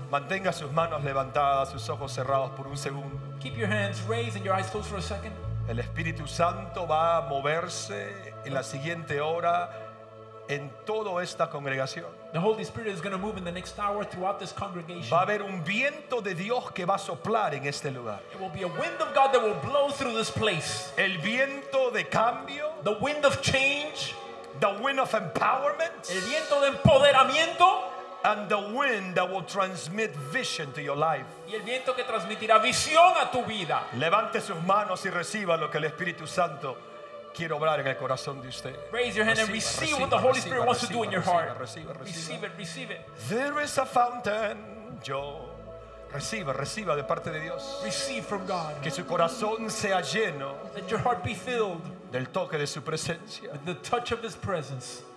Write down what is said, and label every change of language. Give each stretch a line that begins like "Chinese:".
Spanish: Mantenga sus manos levantadas, sus ojos cerrados por un segundo.
English: Keep your hands raised and your eyes closed for a second.
Spanish: El Espíritu Santo va a moverse en la siguiente hora en toda esta congregación.
English: The Holy Spirit is going to move in the next hour throughout this congregation.
Spanish: Va a haber un viento de Dios que va a soplar en este lugar.
English: It will be a wind of God that will blow through this place.
Spanish: El viento de cambio.
English: The wind of change. The wind of empowerment.
Spanish: El viento de empoderamiento.
English: And the wind that will transmit vision to your life.
Spanish: Y el viento que transmitirá visión a tu vida. Levante sus manos y reciba lo que el Espíritu Santo quiero obrar en el corazón de usted.
English: Raise your hand and receive what the Holy Spirit wants to do in your heart. Receive it, receive it. There is a fountain,
Spanish: yo Reciba, reciba de parte de Dios.
English: Receive from God.
Spanish: Que su corazón sea lleno.
English: Let your heart be filled.
Spanish: Del toque de su presencia.
English: With the touch of his presence.